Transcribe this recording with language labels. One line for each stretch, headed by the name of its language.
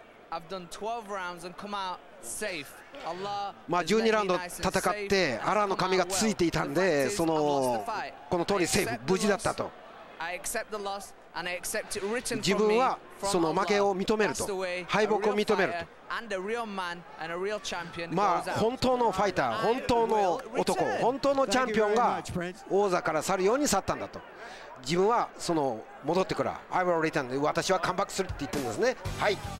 English: I've done 12 rounds and come out safe. Allah.
Japanese: まあ12ラウンド戦ってアラーの髪がついていたんで、そのこの通りセーフ、無事だったと。
English: I accept the loss and I accept it written for me.
Japanese: 自分はその負けを認めると、敗北を認めると。
English: And a real man and a real champion.
Japanese: まあ本当のファイター、本当の男、本当のチャンピオンが王座から去るように去ったんだと。自分はその戻ってくる。
English: I will return.
Japanese: 私はカムバックするって言ってるんですね。はい。